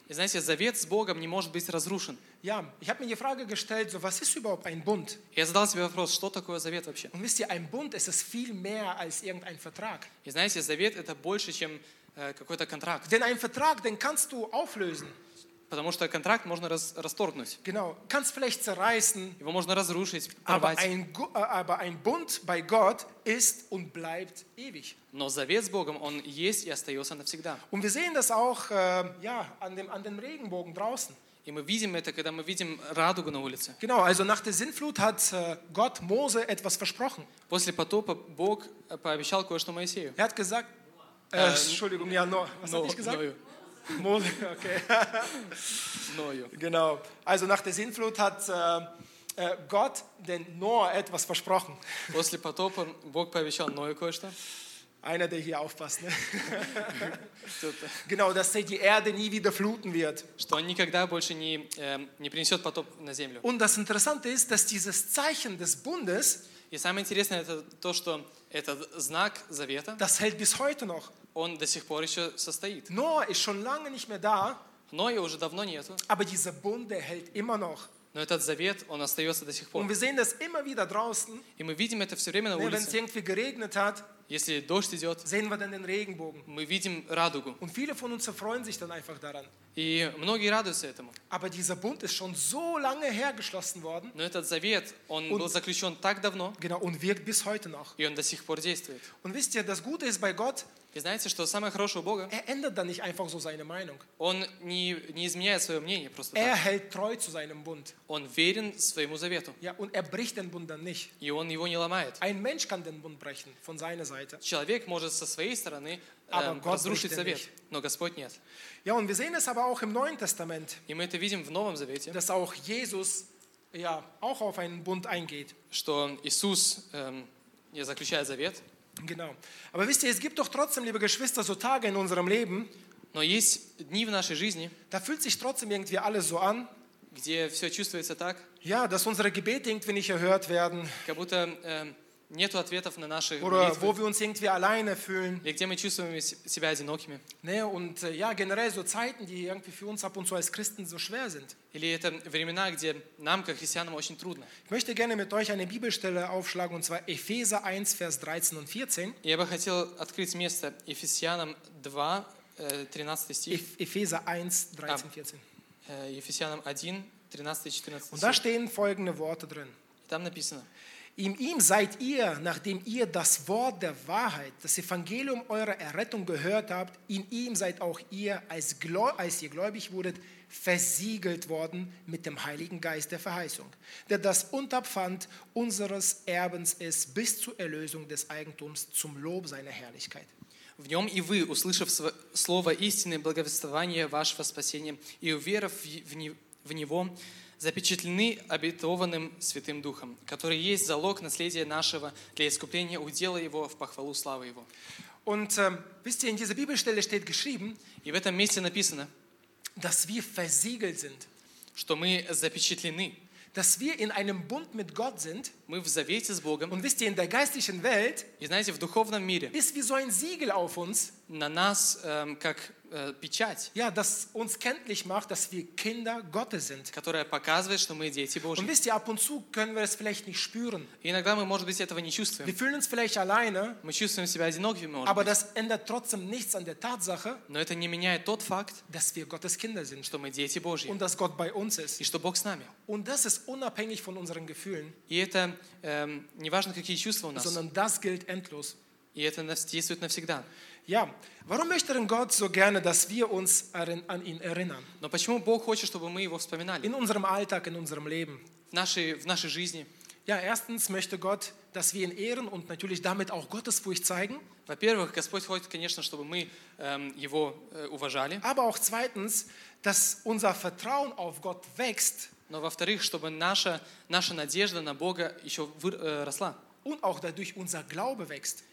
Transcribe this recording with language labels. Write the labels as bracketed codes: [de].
[ru] И знаете, Завет с Богом не может быть разрушен. [de] Ja, ich habe mir die Frage gestellt, so, was ist überhaupt ein Bund? [ru] Я задал себе вопрос, что такое Завет вообще? [de] Und wisst ihr, ein Bund ist es viel mehr als irgendein Vertrag. [ru] И знаете, Завет это больше, чем какой-то контракт. [de] Denn ein Vertrag, den kannst du auflösen. [ru] Потому что контракт можно расторгнуть. [de] Genau, kannst vielleicht zerreißen. [ru] Его можно разрушить, порвать. [de] Aber ein Bund bei Gott ist und bleibt ewig. [ru] Но Завет с Богом, он есть и остается навсегда. [de] Und wir sehen das auch ja, an dem Regenbogen draußen. [ru] И мы видим это, когда мы видим радугу на улице. [de] Genau, also nach der Sintflut hat Gott Mose etwas versprochen. [ru] После потопа Бог пообещал кое-что Моисею. [de] Er hat gesagt, Entschuldigung, ja, Noah. Was habe ich gesagt? Noah. Mose, okay. Noah. Genau. Also nach der Sintflut hat Gott den Noah etwas versprochen. [ru] После потопа Бог пообещал Ноя кое-что. [de] Einer, der hier aufpasst. Ne? Genau, dass er die Erde nie wieder fluten wird. [ru] Что он никогда больше не принесет потоп на землю. [de] Und das Interessante ist, dass dieses Zeichen des Bundes, [ru] и самое интересное, это то, что этот знак Завета, [de] das hält bis heute noch. [ru] Он до сих пор еще состоит. [de] Ноа ist schon lange nicht mehr da, [ru] Ноя уже давно нету. [de] Aber dieser Bund, der hält immer noch. [ru] Но этот завет, он остается до сих пор. [de] Und wir sehen das immer wieder draußen. [ru] И мы видим это все время на улице. [de] Wenn es irgendwie geregnet hat, [ru] если дождь идет, [de] sehen wir dann den Regenbogen. [ru] Мы видим радугу. [de] Und viele von uns erfreuen sich dann einfach daran. [ru] И многие радуются этому. [de] Aber dieser Bund ist schon so lange her geschlossen worden. [ru] Но этот завет, он [de] und, [ru] был заключен так давно. [de] Genau, und wirkt bis heute noch. [ru] И он до сих пор действует. [de] Und wisst ihr, das Gute ist bei Gott, [ru] вы знаете, что самое хорошее у Бога? [de] Er ändert dann nicht einfach so seine Meinung. [ru] Он не изменяет свое мнение просто так. [de] Er hält treu zu seinem Bund. [ru] Он верен своему завету. [de] Ja, und er bricht den Bund dann nicht. [ru] И он его не ломает. [de] Ein Mensch kann den Bund brechen von seiner Seite. [ru] Человек может со своей стороны разрушить завет, но Господь нет. [de] Ja, und wir sehen es aber auch im Neuen Testament. [ru] И мы это видим в Новом Завете. [de] Dass auch Jesus ja auch auf einen Bund eingeht. [ru] Что Иисус заключает завет. [de] Genau. Aber wisst ihr, es gibt doch trotzdem, liebe Geschwister, so Tage in unserem Leben. [ru] Но есть дни в нашей жизни. [de] Da fühlt sich trotzdem irgendwie alles so an. [ru] Где все чувствуется так. [de] Ja, dass unsere Gebete irgendwie nicht erhört werden. [ru] Как будто нету ответов на наши молитвы. [de] Oder wo wir uns irgendwie alleine fühlen. [ru] Или где мы чувствуем себя одинокими. [de] Nee, und ja, generell so Zeiten, die irgendwie für uns ab und zu als Christen so schwer sind. [ru] Или это времена, где нам, как христианам, очень трудно. [de] Ich möchte gerne mit euch eine Bibelstelle aufschlagen, und zwar Epheser 1, Vers 13 und 14. [ru] Я бы хотел открыть место Ефесянам 2, 13 стих. [de] Epheser 1, 13, 14. [en] Ephesians 1, 13, 14. [de] Und da stehen folgende Worte drin. [ru] Там написано. [de] In ihm seid ihr, nachdem ihr das Wort der Wahrheit, das Evangelium eurer Errettung gehört habt, in ihm seid auch ihr, als ihr gläubig wurdet, versiegelt worden mit dem Heiligen Geist der Verheißung, der das Unterpfand unseres Erbens ist, bis zur Erlösung des Eigentums zum Lob seiner Herrlichkeit. [ru] В нем и вы, услышав слово истины, благовествование вашего спасения, и уверов в него, запечатлены обетованным Святым Духом, который есть залог наследия нашего для искупления удела Его в похвалу славы Его. [de] Und, wisst ihr, in dieser Bibelstelle steht geschrieben, [ru] и в этом месте написано, [de] dass wir versiegelt sind, [ru] что мы запечатлены, [de] dass wir in einem Bund mit Gott sind, [ru] мы в завете с Богом, [de] und wisst ihr, in der geistlichen Welt, [ru] и знаете, в духовном мире, [de] ist wie so ein Siegel auf uns, [ru] на нас, как печать, [de] ja, das uns kenntlich macht, dass wir Kinder Gottes sind. [ru] Которая показывает, что мы дети Божьи. [de] Und wisst ihr, ab und zu können wir es vielleicht nicht spüren. [ru] Иногда мы, может быть, этого не чувствуем. [de] Wir fühlen uns vielleicht alleine. [ru] Мы чувствуем себя одиноки, может [de] aber [ru] быть. [de] Das ändert trotzdem nichts an der Tatsache, [ru] но это не меняет тот факт, [de] dass wir Gottes Kinder sind, [ru] что мы дети Божьи. [de] Und dass Gott bei uns ist. [ru] И что Бог с нами. [de] Und das ist unabhängig von unseren Gefühlen. [ru] И это не важно, какие чувства у нас. [de] Sondern das gilt endlos. [ru] И это действует навсегда. [de] Ja, warum möchte denn Gott so gerne, dass wir uns an ihn erinnern? [ru] Но почему Бог хочет, чтобы мы его вспоминали? [de] In unserem Alltag, in unserem Leben. [ru] В нашей жизни. [de] Ja, erstens möchte Gott, dass wir ihn ehren und natürlich damit auch Gottesfurcht zeigen. [ru] Во-первых, Господь хочет, конечно, чтобы мы его уважали. [de] Aber auch zweitens, dass unser Vertrauen auf Gott wächst. [ru] Но во-вторых, чтобы наша надежда на Бога еще росла. [de] Und auch dadurch unser Glaube wächst.